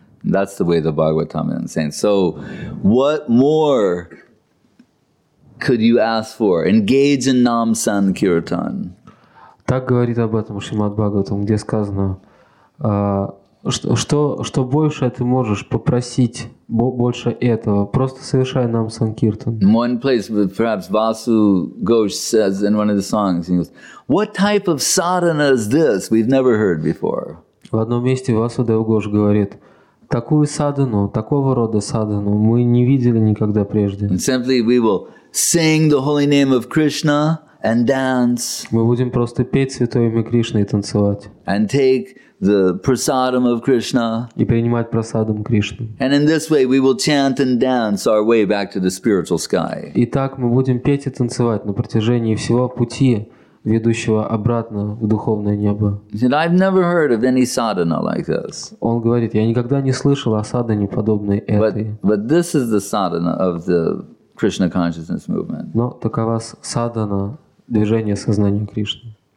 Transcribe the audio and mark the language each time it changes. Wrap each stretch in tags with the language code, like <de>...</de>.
<en>That's the way the Bhagavatam is saying. So what more could you ask for? Engage in nam sankirtan.</en> <ru>Так говорит об этом Шримад Бхагаватам, где сказано, что больше ты можешь попросить, больше этого, просто совершай нам санкиртан.</ru> <en>In one place, perhaps Vasu Ghosh says in one of the songs, he goes, "What type of sadhana is this? We've never heard before."</en> <ru>В одном месте Васудев Гош говорит: "Такую садхану, такого рода садхану мы не видели никогда прежде."</ru> <en>And simply we will sing the holy name of Krishna and dance.</en> <ru>Мы будем просто петь святое имя Кришны и танцевать.</ru> <en>And take the prasadam of Krishna.</en> <ru>И принимать прасадам Кришны.</ru> <en>And in this way we will chant and dance our way back to the spiritual sky.</en> <ru>И так мы будем петь и танцевать на протяжении всего пути, ведущего обратно в духовное небо.</ru> <en>And I've never heard of any sadhana like this.</en> <ru>Он говорит: "Я никогда не слышал о садхане подобной этой."</ru> <en>But this is the sadhana of the Krishna consciousness movement.</en> <ru>Но такова садхана, движение сознания Кришны.</ru>